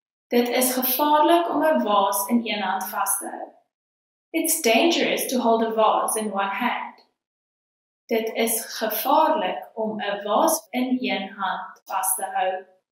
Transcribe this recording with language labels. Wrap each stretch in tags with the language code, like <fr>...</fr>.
<af>Dit is gevaarlik om 'n vaas in een hand vas te hou.</af> <en>It's dangerous to hold a vase in one hand.</en> <af>Dit is gevaarlik om 'n vaas in een hand vas te hou.</af>